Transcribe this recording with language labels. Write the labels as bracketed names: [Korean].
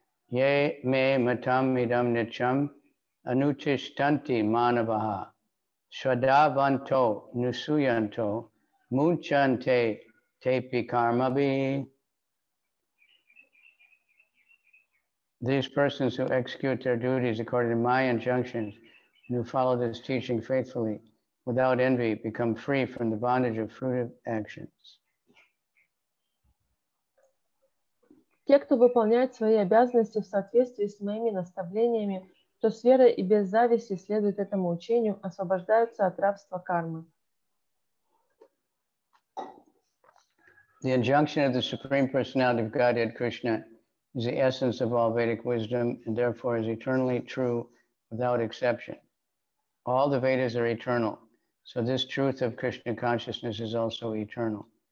[Sanskrit] Ye me matam idam nicham anutishtanti manavaha shadavanto nusuyanto munchante tepi karmabhi. [English] These persons who execute their duties according to my injunctions and who follow this teaching faithfully without envy become free from the bondage of fruitive actions. [Russian] Те, кто выполняет свои обязанности в соответствии с моими наставлениями, то с верой и без зависти следует этому учению, освобождаются от рабства кармы. [English] The injunction of the Supreme Personality of Godhead Krishna is the essence of all Vedic wisdom and therefore is eternally true without exception. All the Vedas are eternal, so this truth of Krishna consciousness is also eternal.